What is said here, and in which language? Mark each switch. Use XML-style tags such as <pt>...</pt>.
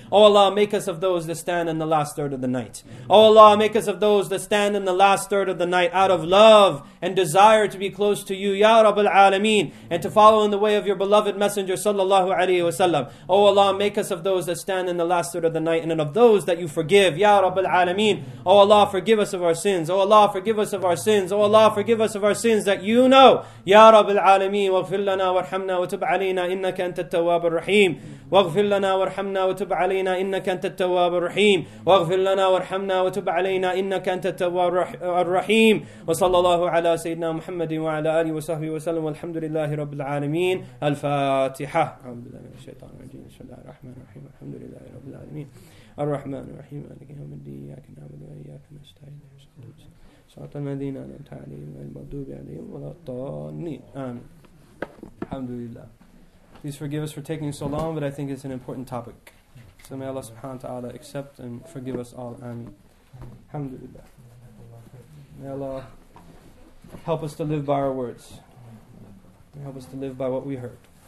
<en>O Allah, make us of those that stand in the last third of the night. O Allah, make us of those that stand in the last third of the night out of love and desire to be close to you, Ya Rabbil Alameen, and to follow in the way of your beloved messenger sallallahu alayhi wasallam. O Allah, make us of those that stand in the last third of the night and of those that you forgive, Ya Rabbil Alameen. O Allah, forgive us of our sins. O Allah, forgive us of our sins. O Allah, forgive us of our sins that you know.</en> <ar>Ya Rabbil Alameen, waghfir lana warhamna wa tub alayna innaka antat tawwabur rahim. واغفر لنا وارحمنا وتب علينا إنك أنت التواب الرحيم واغفر لنا وارحمنا وتب علينا إنك أنت التواب الرحيم وصلى الله على سيدنا محمد وعلى آله وصحبه وسلم والحمد لله رب العالمين الفاتحة الحمد لله من الشيطان الرجيم بسم الله الرحمن الرحيم الحمد لله رب العالمين الرحمن الرحيم مالك يوم الدين إياك نعبد وإياك نستعين صراط الذين أنعمت عليهم غير المغضوب عليهم ولا الضالين آمين الحمد لله.</ar> <en>Please forgive us for taking so long, but I think it's an important topic. So may Allah subhanahu wa ta'ala accept and forgive us all. Ameen. Alhamdulillah. May Allah help us to live by our words. May help us to live by what we heard.</en>